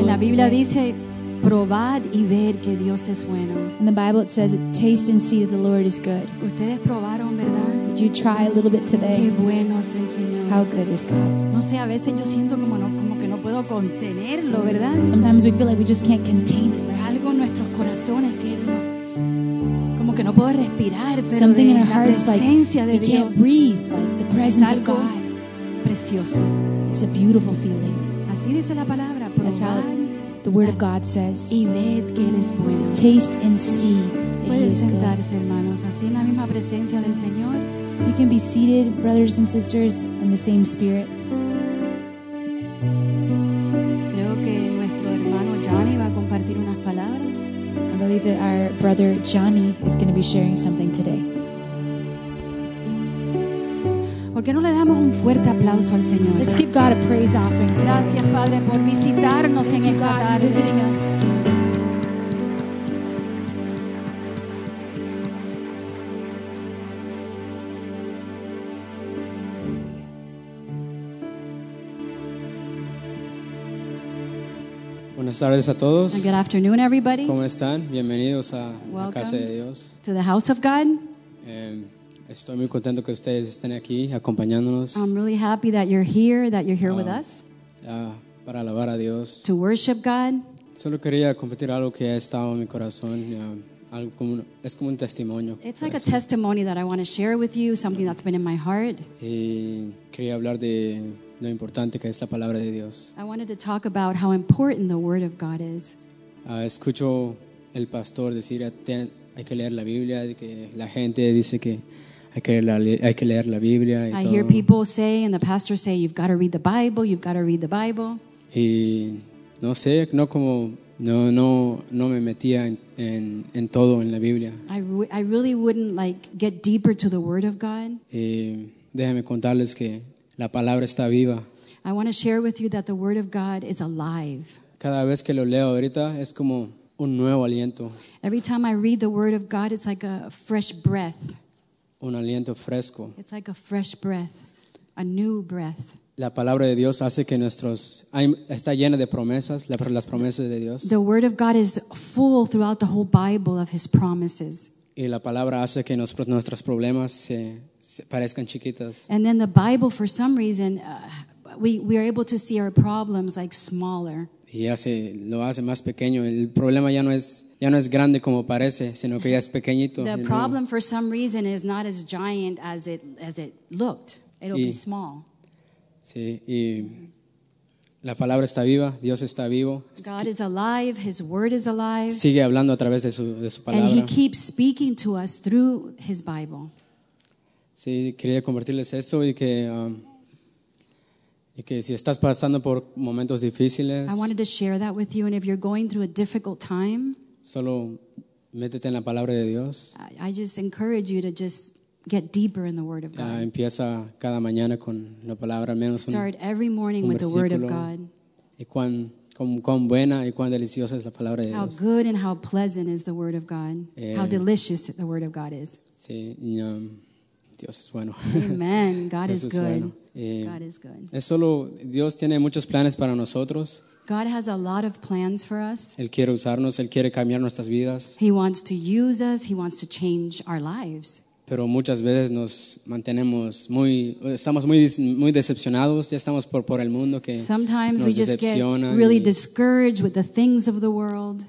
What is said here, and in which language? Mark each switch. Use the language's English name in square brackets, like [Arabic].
[Spanish] En la Biblia dice, probad y ver que Dios es bueno. [English] In the Bible it says, taste and see that the Lord is good. [Spanish] Ustedes probaron, ¿verdad? [English] Did you try a little bit today? [Spanish] Qué bueno es el Señor. [English] How good is God? [Spanish] No sé, a veces yo siento como que no puedo contenerlo, ¿verdad? [English] Sometimes we feel like we just can't contain it. [Spanish] Pero algo en nuestros corazones que como que no puedo respirar, pero [English] something [Spanish] de [English] in our heart [Spanish] la presencia [English] is like, [Spanish] de Dios. [English] We can't breathe, like the presence of God. [Spanish] Precioso. [English] It's a beautiful feeling. [Spanish] Así dice la palabra, probad. [English] The word of God says, [Spanish] y ved que él es bueno. [English] To taste and see that [Spanish] puedes [English] he is [Spanish] sentarse, [English] good. [Spanish] Hermanos, así en la misma presencia del Señor. [English] You can be seated, brothers and sisters, in the same spirit. [Spanish] Creo que nuestro hermano Johnny va a compartir unas palabras. [English] I believe that our brother Johnny is going to be sharing something today. [Spanish] ¿Por qué no le damos un fuerte aplauso al Señor? [English] Let's give God a praise offering. [Spanish] Gracias, Padre, por visitarnos en esta tarde. Buenas tardes a todos. [English] Good afternoon, everybody. [Spanish] ¿Cómo están? Bienvenidos a la casa de Dios. [English] To the house of God. [Spanish] Estoy muy contento que ustedes estén aquí acompañándonos. [English] I'm really happy that you're here, with us. [Spanish] Para alabar a Dios. [English] To worship God. [Spanish] Solo quería compartir algo que ha estado en mi corazón. Es como un testimonio. [English] It's like a testimony that I want to share with you, something that's been in my heart. [Spanish] Y quería hablar de lo importante que es la palabra de Dios. [English] I wanted to talk about how important the word of God is. [Spanish] Escucho el pastor decir, hay que leer la Biblia, que la gente dice que hay que leer la Biblia y [English] I Hear people say and the pastor say you've got to read the Bible, you've got to read the Bible. [Spanish] Y no sé, no como no me metía en todo en la Biblia. [English] I really wouldn't like get deeper to the word of God. [Spanish] Y déjame contarles que la palabra está viva. [English] I want to share with you that the word of God is alive. [Spanish] Cada vez que lo leo ahorita es como un nuevo aliento. [English] Every time I read the word of God it's like a fresh breath. [Spanish] Un aliento fresco. [English] It's like a fresh breath, a new breath. [Spanish] La palabra de Dios hace que nuestros está llena de promesas, las promesas de Dios. [English] The word of God is full throughout the whole Bible of his promises. [Spanish] Y la palabra hace que nuestros problemas se parezcan chiquitas. [English] And then the Bible for some reason we are able to see our problems like smaller. [Spanish] Y lo hace más pequeño. El problema ya no es grande como parece, sino que ya es pequeñito. [English] The problem for some reason is not as giant as it looked. It'll be small. [Spanish] Sí, y la palabra está viva, Dios está vivo. [English] God is alive, his word is alive. [Spanish] Sigue hablando a través de su palabra. [English] And he keeps speaking to us through his Bible. [Spanish] Sí, quería compartirles esto y que y que si estás pasando por momentos difíciles, [English] I wanted to share that with you, and if you're going through a difficult time, [Spanish] solo métete en la palabra de Dios. [English] I just encourage you to just get deeper in the word of God. [Spanish] Empieza cada mañana con la palabra, menos [English] start every morning with the word of God. [Spanish] Y cuán buena y cuán deliciosa es la palabra de Dios. [English] How good and how pleasant is the word of God. How delicious the word of God is. [Spanish] Sí, y, Dios es bueno. [English] Amen. God [Spanish] Dios [English] is good. [Spanish] Bueno. [English] God is good. [Spanish] Es solo Dios tiene muchos planes para nosotros. [English] God has a lot of plans for us. [Spanish] Él quiere usarnos, él quiere cambiar nuestras vidas. [English] He wants to use us, he wants to change our lives. [Spanish] Pero muchas veces nos mantenemos estamos muy decepcionados, ya estamos por el mundo que [English] sometimes [Spanish] nos decepciona. [English] Get really discouraged with the things of the world.